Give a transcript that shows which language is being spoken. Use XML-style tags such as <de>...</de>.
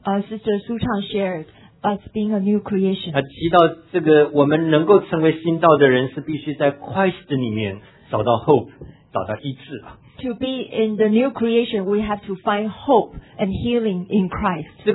<en>Sister Su Chang shared us being a new creation.</en> <zh>提到这个我们能够成为新造的人，是必须在Christ里面找到</zh> <en>hope，</en> <zh>找到医治。</zh> <en>To be in the new creation, we have to find hope and healing in Christ.</en>